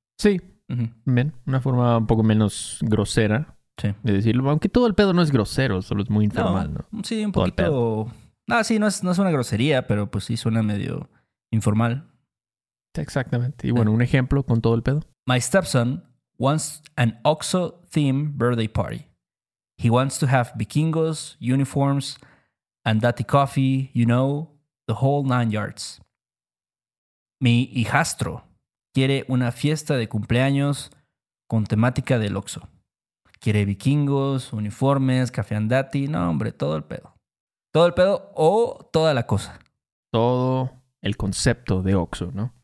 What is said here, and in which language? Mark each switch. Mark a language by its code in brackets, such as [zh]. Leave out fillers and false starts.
[es] Sí, bien, una forma un poco menos grosera de decirlo. Aunque todo el pedo no es grosero, solo es muy informal, ¿no? Sí, un poquito... Ah, sí, no es una grosería, pero pues sí suena medio informal. Exactamente. Y bueno, un ejemplo con todo el pedo. [en] My stepson wants an OXXO-themed birthday party. He wants to have vikingos, uniforms, and dati coffee, you know, the whole nine yards. [es] Mi hijastro quiere una fiesta de cumpleaños con temática del OXXO. Quiere vikingos, uniformes, café andati, no hombre, todo el pedo. ¿Todo el pedo o toda la cosa? Todo el concepto de OXXO, ¿no?